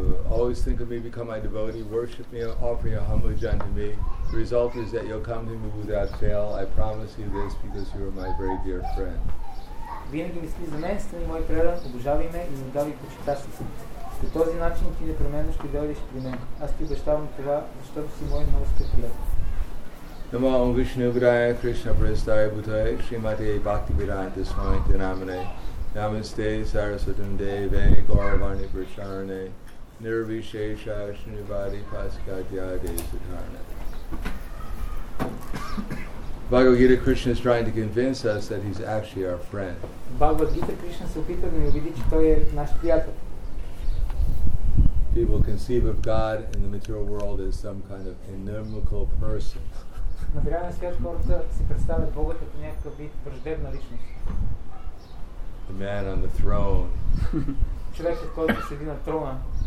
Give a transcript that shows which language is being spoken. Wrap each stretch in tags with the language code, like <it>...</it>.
<en>Always think of me, become my devotee, worship me, offer your humble jhan to me. The result is that you'll come to me without fail. I promise you this because you are my very dear friend.</en> <bg>Винаги мисли за мен, стани мой предан, обожавай ме и надави почитащи си. По този начин ти непременно ще дойдеш при мен. Аз ти обещавам това, защото си мой много скъп приятел.</bg> <sa>Нама Ом Вишну Вирая Кришна Престая Бутая Шримати Бхакти Виранта Свами Тинамане Намасте Сарасватам Деве Гаурварни Прачарне Нирвишеша Шнивади Паскатья Десатарне.</sa> <en>Bhagavad Gita Krishna is trying to convince us that he's actually our friend.</en> <bg>Bhagavad Gita Krishna се опитва да ни убеди, че той е наш приятел.</bg> <en>People conceive of God in the material world as some kind of inimical person.</en> <bg>Материалният свят хората си представят Бога като някакъв вид враждебна личност.</bg> <en>The man on the throne.</en> <bg>Човекът, който седи на трона.</bg>